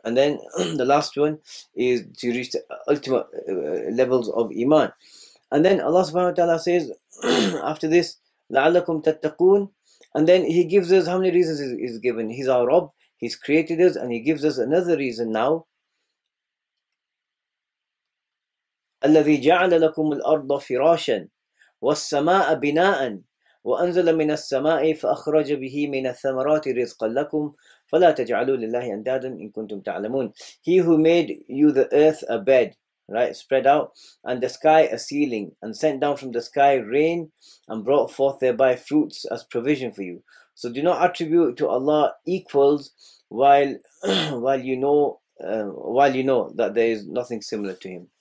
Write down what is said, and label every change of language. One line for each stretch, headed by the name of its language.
English: And then the last one is to reach the ultimate levels of iman. And then Allah subhanahu wa ta'ala says after this,
Arabic: la'allakum tattaqun,
English: and then He gives us how many reasons is given. He's our Rabb, He's created us, and He gives us another reason now.
Arabic: الذي جعل لكم الأرض فراشا والسماء بناء وأنزل من السماء فأخرج به من الثمرات رزقا لكم فلا تجعلوا لله أندادا إن كنتم تعلمون.
English: He who made you the earth a bed, right, spread out, and the sky a ceiling, and sent down from the sky rain, and brought forth thereby fruits as provision for you. So do not attribute to Allah equals while while you know that there is nothing similar to Him.